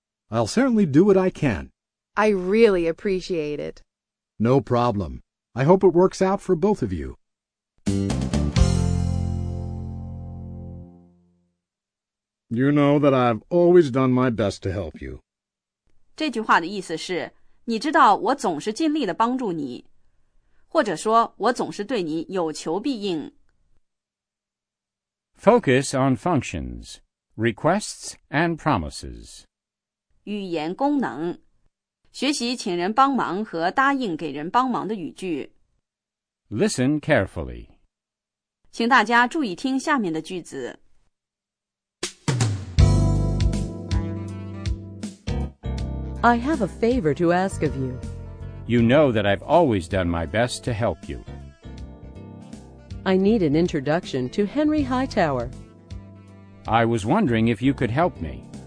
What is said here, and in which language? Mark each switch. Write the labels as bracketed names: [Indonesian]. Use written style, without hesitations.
[English] I'll certainly do what I can. I really appreciate it. No problem. I hope it works out for both of you. You know that I've always done my best to help you. [Chinese] 这句话的意思是，你知道我总是尽力地帮助你，或者说我总是对你有求必应。 [English] Focus on functions, requests and promises. [Chinese] 语言功能，学习请人帮忙和答应给人帮忙的语句。 [English] Listen carefully. [Chinese] 请大家注意听下面的句子。 [English] I have a favor to ask of you. You know that I've always done my best to help you. I need an introduction to Henry Hightower. I was wondering if you could help me.